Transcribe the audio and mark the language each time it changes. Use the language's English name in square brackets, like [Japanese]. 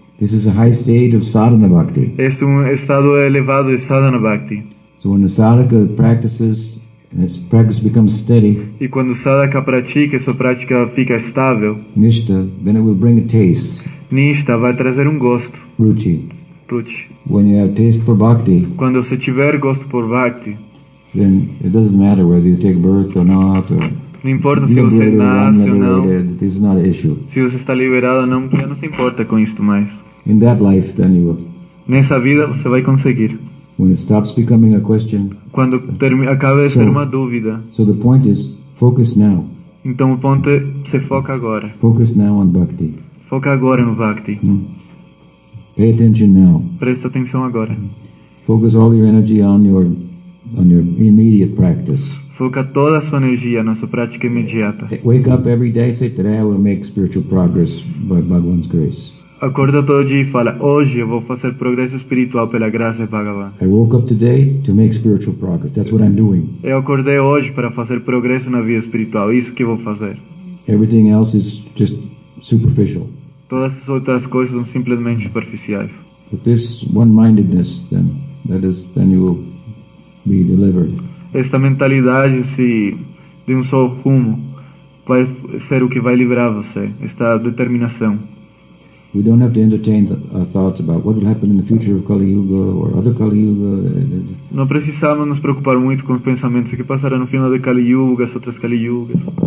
[English] This is a high stage of sadhana bhakti. [Portuguese] Este é estado elevado de sadhana bhakti. [English] So when the sadhaka practices and his practice becomes steady. [Portuguese] E quando o sadhaka pratica, sua prática fica estável. [English] Nishta, then it will bring a taste. [Portuguese] Nishta vai trazer gosto. [Sanskrit] Ruchi. Ruchi. [English] When you have taste for bhakti. [Portuguese] Quando você tiver gosto por bhakti. [English] Then it doesn't matter whether you take birth or not. Or [Portuguese] não importa se você nasce ou não. [English] This is not an issue. [Portuguese] Se você está liberado ou não, já não se importa com isto mais. [English] In that life, then you will. [Portuguese] Nessa vida, você vai conseguir. [English] When it stops becoming a question. [Portuguese] Quando acaba de ser uma dúvida. [English] So the point is, focus now. [Portuguese] Então o ponto é, você foca agora. [English] Focus now on bhakti. [Portuguese] Foca agora no bhakti. [English] Pay attention now. [Portuguese] Presta atenção agora. [English] Focus all your energy on your immediate practice. [Portuguese] Foca toda a sua energia na sua prática imediata. [English] Wake up every day and say, today I will make spiritual progress by Bhagavan's grace. [Portuguese] Acorda todo dia e fala, hoje eu vou fazer progresso espiritual pela graça de Bhagavan. [English] I woke up today to make spiritual progress. That's what I'm doing. [Portuguese] Eu acordei hoje para fazer progresso na vida espiritual. Isso que eu vou fazer. [English] Everything else is just superficial. [Portuguese] Todas as outras coisas são simplesmente superficiais. [English] But this one-mindedness, then, that is, then you will be delivered. [Portuguese] Esta mentalidade se de só rumo vai ser o que vai liberar você. Esta determinação. [English] We don't have to entertain our thoughts about what will happen in the future of Kali Yuga or other Kali Yuga. [Portuguese] Não precisamos nos preocupar muito com os pensamentos que passará no final de Kali Yuga, as outras Kali Yugas.